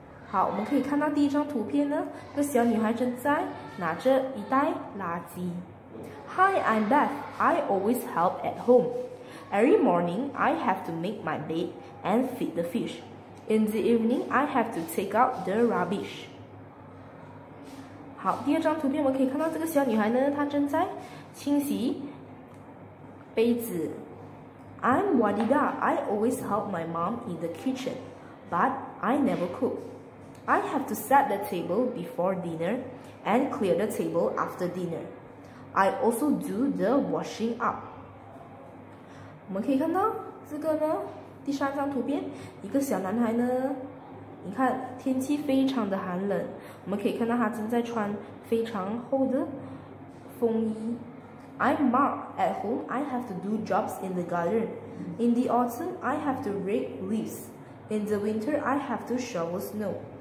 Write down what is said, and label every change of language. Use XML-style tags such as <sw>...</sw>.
<zh>好，我们可以看到第一张图片呢，那小女孩正在拿着一袋垃圾。</zh> <en>Hi, I'm Beth. I always help at home. Every morning, I have to make my bed and feed the fish. In the evening, I have to take out the rubbish.</en> <zh>好，第二张图片我们可以看到这个小女孩呢，她正在清洗杯子。</zh> <en>I'm Wadida. I always help my mom in the kitchen, but I never cook. I have to set the table before dinner and clear the table after dinner. I also do the washing up.</en> <zh>我们可以看到这个呢，第三张图片，一个小男孩呢，你看天气非常的寒冷，我们可以看到他正在穿非常厚的风衣。</zh> <en>I'm Mark. At home, I have to do jobs in the garden. In the autumn, I have to rake leaves. In the winter, I have to shovel snow.</en>